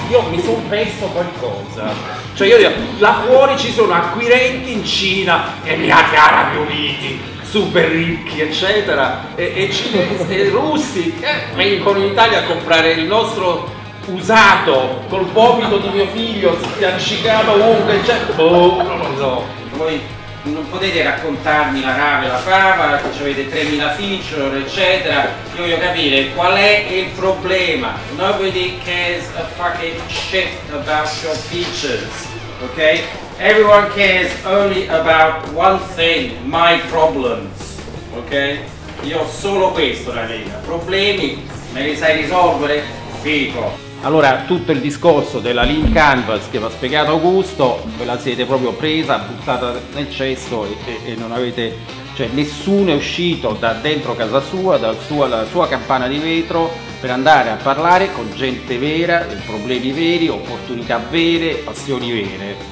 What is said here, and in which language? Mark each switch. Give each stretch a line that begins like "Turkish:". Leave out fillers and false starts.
Italian: Mi sono perso qualcosa, cioè io dico là fuori ci sono acquirenti in Cina, Emirati Arabi Uniti, super ricchi eccetera, e cinesi e russi che vengono in Italia a comprare il nostro usato col vomito di mio figlio spiaccicato ovunque, cioè non lo so. Voi non potete raccontarmi la rave e la fava, che ci avete 3000 feature eccetera, io voglio capire qual è il problema.
English: Nobody cares a fucking shit about your features, ok? Everyone cares only about one thing, my problems, ok?
Italian: Io ho solo questo da dire, problemi me li sai risolvere? Fico. Allora, tutto il discorso della Lean Canvas che vi ha spiegato Augusto, ve la siete proprio presa, buttata nel cesso e non avete, cioè nessuno è uscito da dentro casa sua, dalla sua campana di vetro, per andare a parlare con gente vera, problemi veri, opportunità vere, passioni vere.